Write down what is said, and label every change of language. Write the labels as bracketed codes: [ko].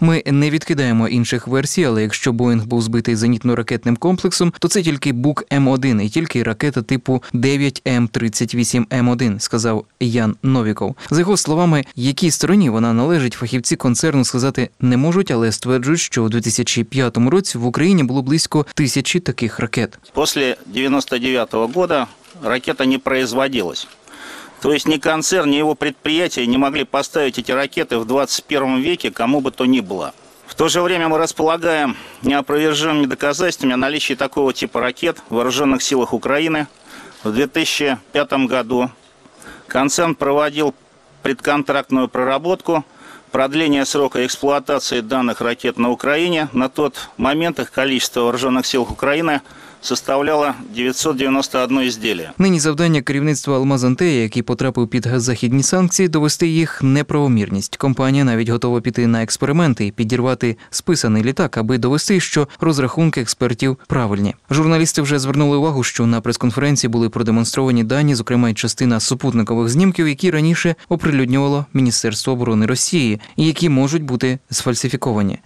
[uk] Ми не відкидаємо інших версій, але якщо «Боїнг» був збитий зенітно-ракетним комплексом, то це тільки «Бук М1» і тільки ракета типу 9М38М1, сказав Ян Новіков. За його словами, якій стороні вона належить, фахівці концерну сказати не можуть, але стверджують, що у 2005 році в Україні було близько 1000 таких ракет. [ru] Після 99-го года ракета не производилась. То есть ни концерн, ни его предприятия не могли поставить эти ракеты в 21 веке кому бы то ни было. В то же время мы располагаем неопровержимыми доказательствами о наличии такого типа ракет в вооруженных силах Украины. В 2005 году концерн проводил предконтрактную проработку продления срока эксплуатации данных ракет на Украине. На тот момент их количество в вооруженных силах Украины составляла 991 изделие. [uk] Нині завдання керівництва «Алмаз Антея», який потрапив під західні санкції, довести їх неправомірність. Компанія навіть готова піти на експерименти і підірвати списаний літак, аби довести, що розрахунки експертів правильні. Журналісти вже звернули увагу, що на прес-конференції були продемонстровані дані, зокрема, й частина супутникових знімків, які раніше оприлюднювало Міністерство оборони Росії, і які можуть бути сфальсифіковані.